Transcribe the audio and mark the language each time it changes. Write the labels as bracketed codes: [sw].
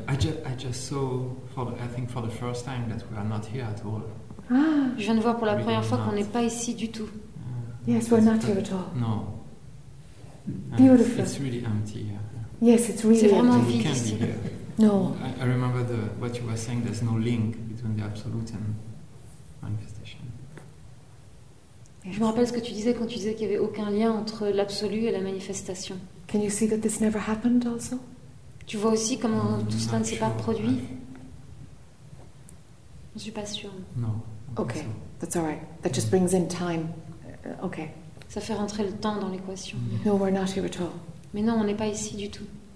[en] I just saw for the first time that we are not here at all. [fr] Ah, je viens de voir pour la première fois qu'on n'est pas ici du tout. [en] Yes, we're not here at all. No. Beautiful. It's really empty. Yeah. Yes, it's really [fr] c'est vraiment [en] empty. Can't be here. No. I remember what you were saying. There's no link between the absolute and manifestation. [fr] Je me rappelle ce que tu disais quand tu disais qu'il n'y avait aucun lien entre l'absolu et la manifestation. [en] Can you see that this never happened also? [fr] Tu vois aussi comment tout cela ne s'est pas produit? Je ne suis pas sûre. Non. [en] Ok, that's all right. That just brings in time. Ok. [fr] Ça fait rentrer le temps dans l'équation. [en] No, we're not here at all. [fr] Mais non, on n'est pas ici du tout.